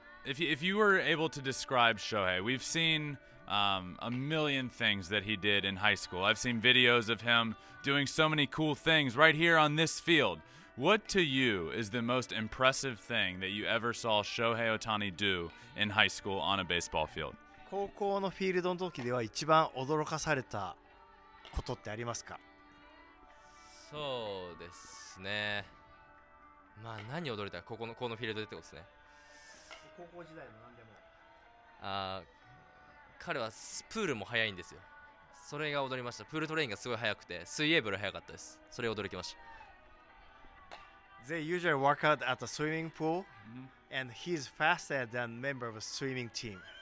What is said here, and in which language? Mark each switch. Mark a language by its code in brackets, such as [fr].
[en] If you were able to describe Shohei, we've seen a million things that he did in high school. I've seen videos of him doing so many cool things right here on this field. What to you is the most impressive thing that you ever saw Shohei Ohtani do in high school on a baseball field? [ja] 高校のフィールドの時では一番驚かされたことってありますか？そうですね。まあ何驚いた？このフィールドでってことですね。高校時代の何でも。ああ、彼はプールも早いんですよ。それが驚きました。プールトレインがすごい早くて、水泳部より早かったです。それ驚きました。 [en] They usually work out at the swimming pool, and he's faster than member of a swimming team.